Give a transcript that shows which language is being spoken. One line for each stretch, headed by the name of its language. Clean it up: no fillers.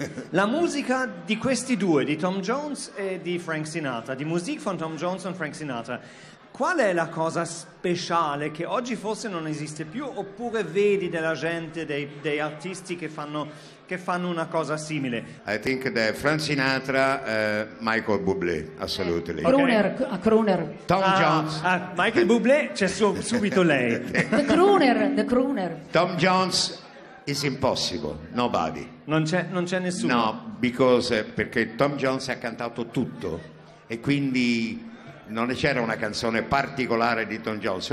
Italian: La musica di questi due, di Tom Jones e di Frank Sinatra, di musica von Tom Jones e Frank Sinatra, qual è la cosa speciale che oggi forse non esiste più, oppure vedi della gente, dei artisti che fanno una cosa simile?
English: I think that Frank Sinatra, Michael Bublé, assolutely. Crooner, a crooner. Tom Jones.
Italian: Michael Bublé, c'è subito lei.
English: The crooner. Tom Jones is impossible, nobody.
Italian: Non c'è nessuno. No, perché Tom Jones ha cantato tutto e quindi non c'era una canzone particolare di Tom Jones.